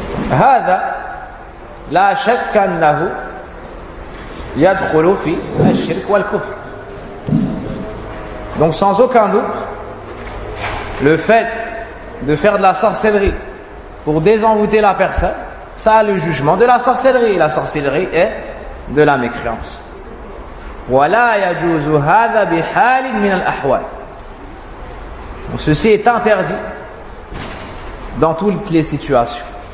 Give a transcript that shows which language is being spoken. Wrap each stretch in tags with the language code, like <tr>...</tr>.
<ar>Hada la shakkannahu يدخل في الشرك والكفر.</ar> <fr>Donc sans aucun doute, le fait de faire de la sorcellerie pour désenvoûter la personne, ça a le jugement de la sorcellerie. La sorcellerie est de la mécréance.</fr> <ar>ولا يجوز هذا بحال من الأحوال.</ar> <fr>Donc ceci est interdit dans toutes les situations.</fr>